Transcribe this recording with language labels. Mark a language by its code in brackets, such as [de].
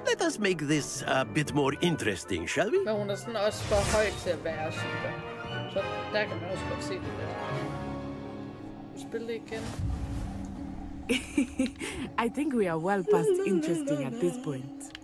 [en] Let us make this a bit more interesting, shall we? [da] Men hun er sådan også for høj til at være Shiba. Så der kan man også godt se det lidt. Spil det igen. [en] I think we are well past interesting at this point.